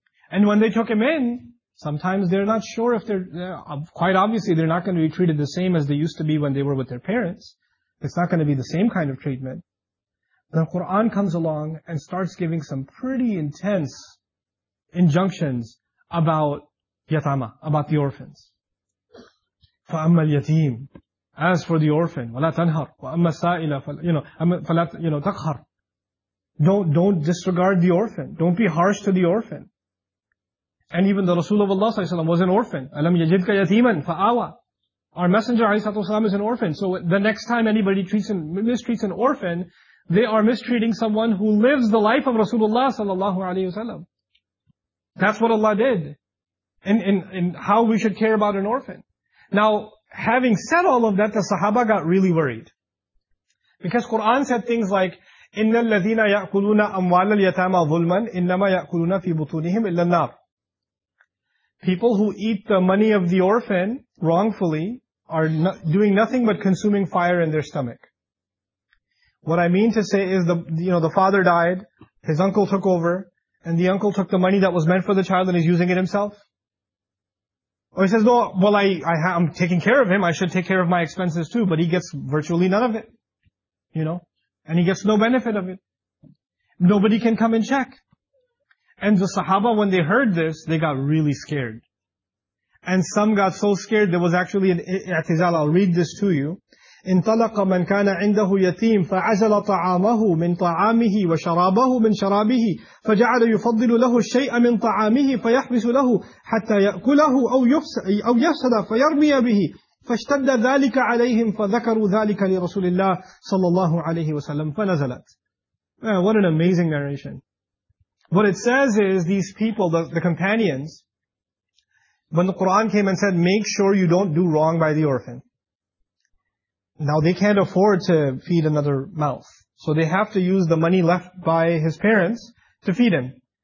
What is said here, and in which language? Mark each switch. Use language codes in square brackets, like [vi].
[en] And when they took him in, sometimes they're not sure if quite obviously they're not going to be treated the same as they used to be when they were with their parents. It's not going to be the same kind of treatment. The Quran comes along and starts giving some pretty intense injunctions about yatama, about the orphans. [ar] فَأَمَّا الْيَتِيمِ. [en] As for the orphan, [ar] وَلَا تَنْهَرْ وَأَمَّا السَّائِلَ فَلَا تَقْهَرْ. [en] Don't disregard the orphan. Don't be harsh to the orphan. And even the Rasul of Allah ﷺ was an orphan. [ar] أَلَمْ يَجِدْكَ يَتِيمًا فَآوَى. [en] Our Messenger ﷺ is an orphan. So the next time anybody mistreats an orphan, they are mistreating someone who lives the life of Rasulullah sallallahu alayhi wasallam. That's what Allah did. In how we should care about an orphan. Now, having said all of that, the Sahaba got really worried. Because Quran said things like, [ar] إِنَّ الَّذِينَ يَأْكُلُونَ أَمْوَالَ الْيَتَامَ ظُلْمًا إِنَّمَا يَأْكُلُونَ فِي بُطُونِهِمْ إِلَّا النَّارِ. [en] People who eat the money of the orphan wrongfully are doing nothing but consuming fire in their stomach. What I mean to say is the father died, his uncle took over, and the uncle took the money that was meant for the child and is using it himself. Or he says, I'm taking care of him, I should take care of my expenses too, but he gets virtually none of it. You know? And he gets no benefit of it. Nobody can come and check. And the Sahaba, when they heard this, they got really scared. And some got so scared, there was actually an i'tizal, I'll read this to you. [ar] انطلق من كان عنده يتيم فعزل طعامه من طعامه وشرابه من شرابه فجعل يفضل له الشيء من طعامه فيحبس له حتى يأكله أو يفسد فيرمي به فاشتد ذلك عليهم فذكروا ذلك لرسول الله صلى الله عليه وسلم فنزلت. [en] What an amazing narration. What it says is these people, the companions, when the Quran came and said, make sure you don't do wrong by the orphan. Now they can't afford to feed another mouth. So they have to use the money left by his parents to feed him.